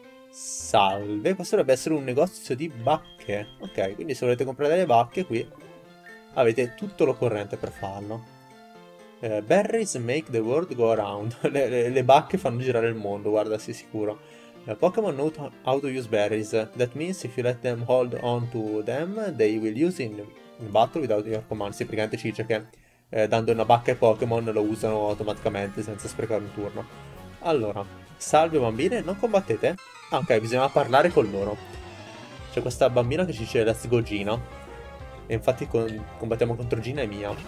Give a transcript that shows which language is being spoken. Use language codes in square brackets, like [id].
[it] Salve, questo dovrebbe essere un negozio di bacche. Ok, quindi se volete comprare delle bacche qui, avete tutto l'occorrente per farlo. [en] Berries make the world go around. [it] Le bacche fanno girare il mondo, guarda, sei sicuro. [en] Pokémon know how to use berries. That means if you let them hold on to them, they will use in battle without your command. [it] Sì, praticamente ci dice che dando una bacca ai Pokémon lo usano automaticamente senza sprecare un turno. Allora, salve bambine, non combattete? Ah, ok, bisogna parlare con loro. C'è questa bambina che ci dice [en] Let's go, [it] Gina. E infatti combattiamo contro Gina e Mia.